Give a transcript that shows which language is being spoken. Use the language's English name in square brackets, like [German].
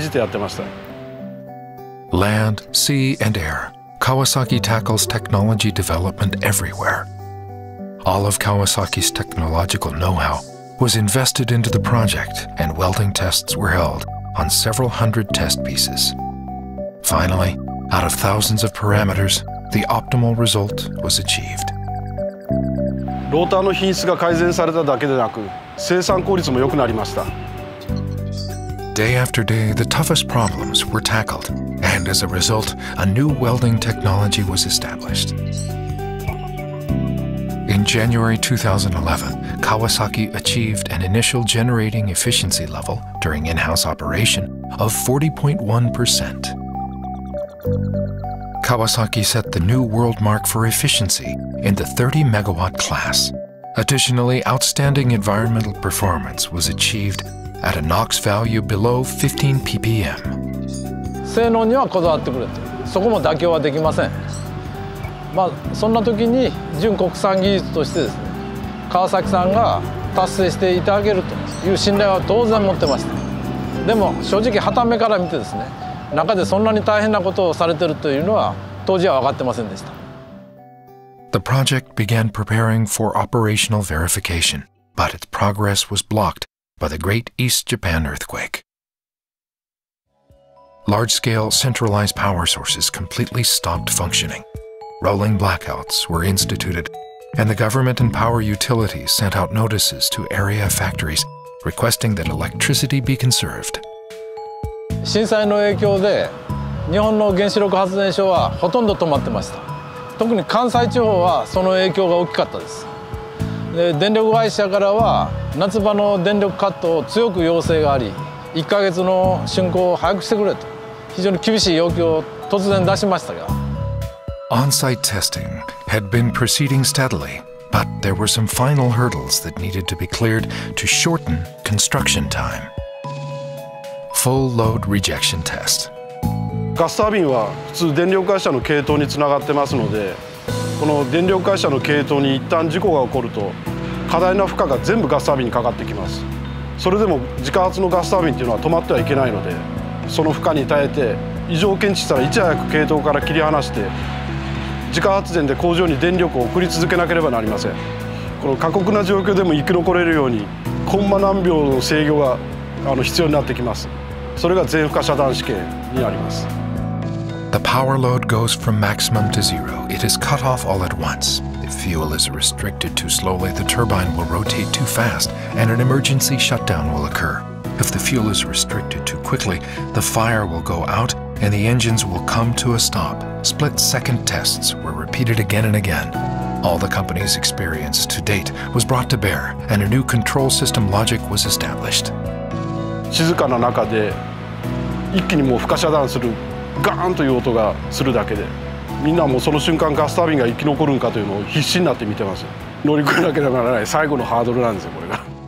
[Japanese] いろんな条件で溶接をやって、その結果が良好かどうかっていうのを素早くその検査する。溶接の検査そのものも実は破壊して検査するわけにいかないんで、内部を破壊で見るような新しい検査方法も必要になってきます。そういったトライをいくつも繰り返して、その中から使える条件を見つけ出すと、答えがあると信じてやってました。 [English] Land, sea and air, Kawasaki tackles technology development everywhere. All of Kawasaki's technological know-how was invested into the project, and welding tests were held on several hundred test pieces. Finally, out of thousands of parameters, the optimal result was achieved. [Japanese] ローターの品質が改善されただけでなく、生産効率も良くなりました。 [English] Day after day, the toughest problems were tackled. And as a result, a new welding technology was established. In January 2011, Kawasaki achieved an initial generating efficiency level during in-house operation of 40.1%. Kawasaki set the new world mark for efficiency in the 30 megawatt class. Additionally, outstanding environmental performance was achieved at a NOx value below 15 ppm. [Japanese] 性能にはこだわってくれて、そこも妥協はできません。まあ、そんな時に純国産技術としてですね、川崎さんが達成していただけるという信頼は当然持ってました。でも正直傍目から見てですね、中でそんなに大変なことをされているというのは当時は分かってませんでした。 [English] The project began preparing for operational verification, but its progress was blocked by the Great East Japan earthquake. Large-scale centralized power sources completely stopped functioning. Rolling blackouts were instituted, and the government and power utilities sent out notices to area factories requesting that electricity be conserved. [Japanese] 震災の影響で日本の原子力発電所はほとんど止まってました。特に関西地方はその影響が大きかったです。で、電力会社からは夏場の電力カットを強く要請があり、1ヶ月の竣工を早くしてくれと非常に厳しい要求を突然出しましたが。 [English] On-site testing had been proceeding steadily, but there were some final hurdles that needed to be cleared to shorten construction time. Full load rejection test. [Japanese] ガスタービンは普通電力会社の系統につながってますので、この電力会社の系統に一旦事故が起こると、過大な負荷が全部ガスタービンにかかってきます。それでも自家発のガスタービンというのは止まってはいけないので、その負荷に耐えて異常を検知したらいち早く系統から切り離して、自家発電で工場に電力を送り続けなければなりません。この過酷な状況でも生き残れるようにコンマ何秒の制御が必要になってきます。それが全負荷遮断試験になります。 [English] The power load goes from maximum to zero. It is cut off all at once. If fuel is restricted too slowly, the turbine will rotate too fast and an emergency shutdown will occur. If the fuel is restricted too quickly, the fire will go out and the engines will come to a stop. Split-second tests were repeated again and again. All the company's experience to date was brought to bear, and a new control system logic was established. [Japanese] 静かな中で一気にもう負荷遮断するガーンという音がするだけで、みんなもうその瞬間ガスタービンが生き残るんかというのを必死になって見てます。乗り越えなければならない最後のハードルなんですよ、これが。